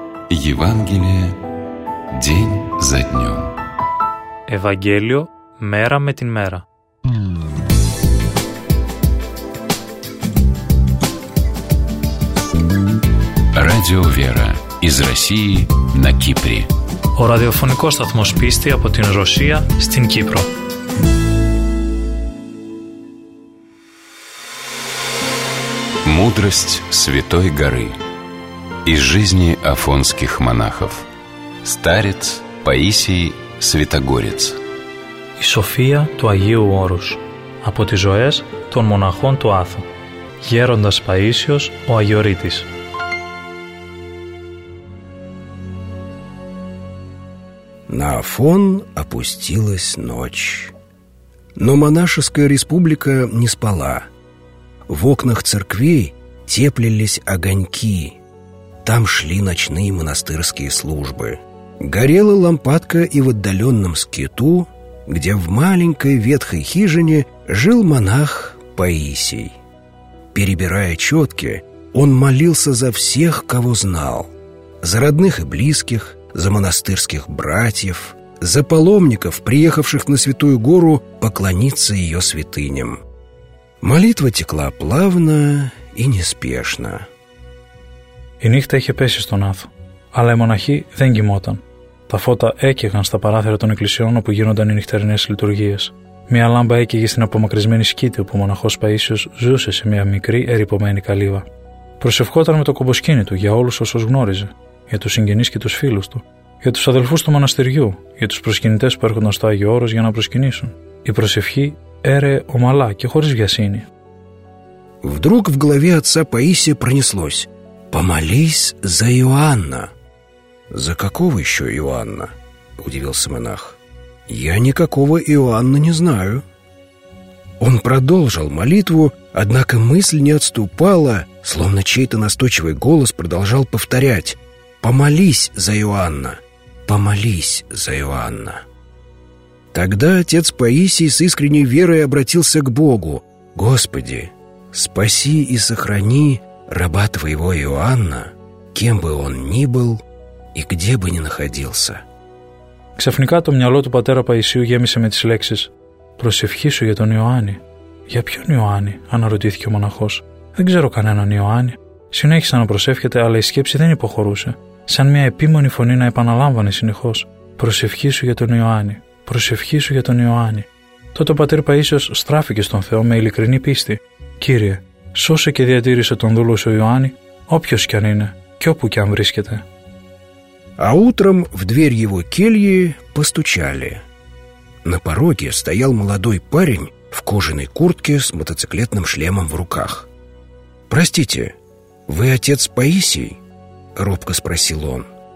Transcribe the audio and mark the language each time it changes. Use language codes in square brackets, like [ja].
[ru] Ευαγγέλιο, день за днём. [el] Ευαγγέλιο μέρα με την μέρα. [ru] Радио Вера из России на Кипре. [el] О радиофонико сатмос писти апо тин Росия стин Кипро. [ru] Мудрость Святой Горы из жизни афонских монахов. Старец Паисий Святогорец. [el] Η σοφία του Αγίου Όρους από τις ζωές των μοναχών του Άθου. Γέροντας Παΐσιος ο Αγιορείτης. [ru] На Афон опустилась ночь. Но монашеская республика не спала. В окнах церквей теплились огоньки. Там шли ночные монастырские службы. Горела лампадка и в отдаленном скиту, где в маленькой ветхой хижине жил монах Паисий. Перебирая четки, он молился за всех, кого знал. За родных и близких, за монастырских братьев, за паломников, приехавших на Святую Гору поклониться ее святыням. Молитва текла плавно и неспешно. [el] Η νύχτα είχε πέσει στον Άθο, αλλά οι μοναχοί δεν κοιμόταν. Τα φώτα έκαιγαν στα παράθυρα των εκκλησιών όπου γίνονταν οι νυχτερινές λειτουργίες. Μία λάμπα έκαιγε στην απομακρυσμένη σκήτη όπου ο μοναχός Παΐσιος ζούσε σε μία μικρή ερυπωμένη καλύβα. Προσευχόταν με το κομποσκήνι του για όλους όσους γνώριζε, για τους συγγενείς και τους φίλους του, για τους αδελφούς του μοναστηριού, για τους προσκυνητές που έρχονταν στο Άγιο Όρος για να προσκυνήσουν. Η προσευχή έρεε ομαλά και χωρίς βιασύνη. [ru] Вдруг в голове отца Паисия пронеслось: «Помолись за Иоанна». «За какого еще Иоанна?» – удивился монах. «Я никакого Иоанна не знаю». Он продолжил молитву, однако мысль не отступала, словно чей-то настойчивый голос продолжал повторять: «Помолись за Иоанна! Помолись за Иоанна!» Тогда отец Паисий с искренней верой обратился к Богу: «Господи, спаси и сохрани раба твоего Иоанна, кем бы он ни был и где бы ни находился». [el] Ξαφνικά το μυαλό του πατέρα Παϊσίου γέμισε με τις λέξεις: «Προσευχή σου για τον Ιωάννη». «Για ποιον Ιωάννη?» αναρωτήθηκε ο μοναχός. «Δεν ξέρω κανέναν Ιωάννη». Συνέχισε να προσεύχεται, αλλά η σκέψη δεν υποχωρούσε. Σαν μια επίμονη φωνή να επαναλάμβανε συνεχώς: «Προσευχή σου για τον Ιωάννη. Προσευχή σου για τον Ιωάννη». Τότε ο πατήρ Παΐσιος στράφηκε στον Θεό με ειλικρινή πίστη: «Κύριε, σώσε και διατήρησε τον δούλο σου Ιωάννη, όποιος κι αν είναι και όπου κι αν βρίσκεται». [ru] А утром в дверь его кельи постучали. На пороге стоял молодой парень в кожаной куртке с мотоциклетным шлемом в руках. «Простите, вы отец Паисий?» — робко спросил он.